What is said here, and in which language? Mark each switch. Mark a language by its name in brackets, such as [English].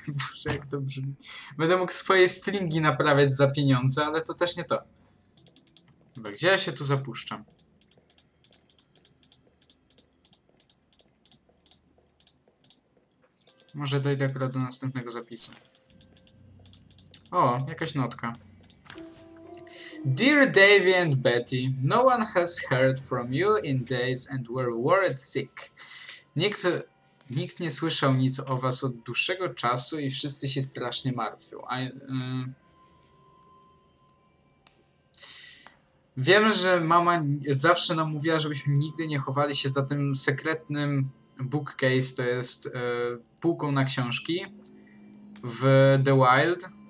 [Polish] Boże, jak to brzmi. Będę mógł swoje stringi naprawiać za pieniądze, ale to też nie to. Dobra, gdzie ja się tu zapuszczam? Może dojdę akurat do następnego zapisu. O, jakaś notka. [English] Dear Davy and Betty, no one has heard from you in days and were worried sick. [Polish] Nikt nie słyszał nic o was od dłuższego czasu i wszyscy się strasznie martwią. Wiem, że mama zawsze nam mówiła, żebyśmy nigdy nie chowali się za tym sekretnym bookcase, to jest półką na książki w The Wild.